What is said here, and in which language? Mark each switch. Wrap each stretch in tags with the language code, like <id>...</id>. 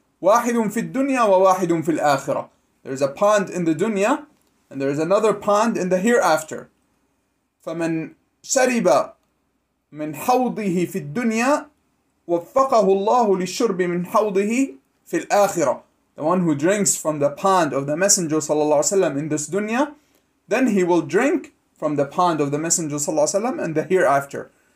<ar>واحد في الدنيا وواحد في الآخرة.</ar> <en>There is a pond in the dunya and there is another pond in the hereafter.</en> <ar>فمن شرب من حوضه في الدنيا وفقه الله للشرب من حوضه في الآخرة.</ar> <en>The one who drinks from the pond of the messenger</en> <ar>صلى الله عليه وسلم</ar> <en>in this dunya, then he will drink from the pond of the messenger صلى الله عليه وسلم in the hereafter.</en>